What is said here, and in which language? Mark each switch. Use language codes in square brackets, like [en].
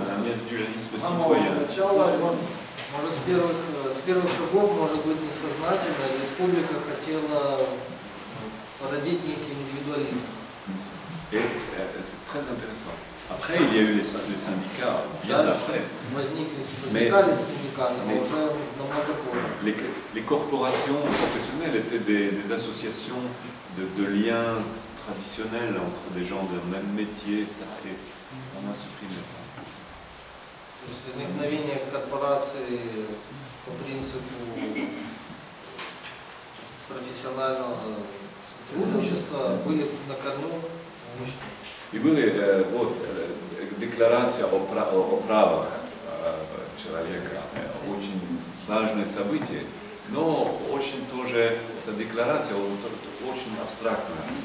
[ru] Может, с первых шагов, может быть, несознательно, республика хотела породить некий индивидуализм. [fr] C'est très intéressant. Après, il y a eu les syndicats, bien après. [ru] Возникали синдикаты, но уже намного позже. [fr] Les corporations professionnelles étaient des associations de liens traditionnels entre des gens d'un même métier, etc. Et on a supprimé ça. [ru] То есть возникновение корпорации по принципу профессионального сотрудничества были на корню уничтожены. И были вот декларация о правах человека, очень важное событие, но очень тоже эта декларация очень абстрактная.